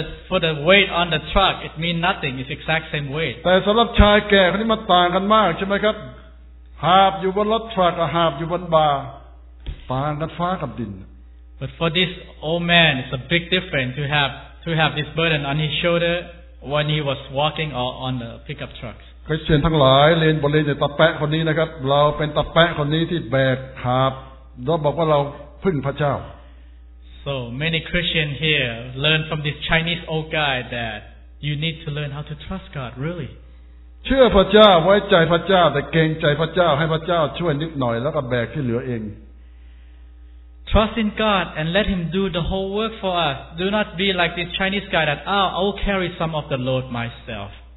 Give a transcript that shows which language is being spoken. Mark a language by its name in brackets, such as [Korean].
[English] For the weight on the truck, it means nothing. It's exact same weight. [Thai] แต่สำหรับชายแก่คนนี้มันต่างกันมากใช่ไหมครับหาบอยู่บนรถทรัคกับหาบอยู่บนบ่าต่างกันฟ้ากับดิน [English] But for this old man, it's a big difference to have this burden on his shoulder when he was walking or on the pickup truck. [Thai] คริสเตียนทั้งหลายเรียนบทเรียนจากตะแปะคนนี้นะครับเราเป็นตะแปะคนนี้ที่แบกหาบแล้วบอกว่าเราพึ่งพระเจ้า [English] So many Christians here learn from this Chinese old guy that you need to learn how to trust God really [Thai] เชื่อพระเจ้าไว้ใจพระเจ้าแต่เกรงใจพระเจ้าให้พระเจ้าช่วยนิดหน่อยแล้วก็แบกที่เหลือเอง [English] Trust in God and let Him do the whole work for us. Do not be like this Chinese guy that I will carry some of the load myself.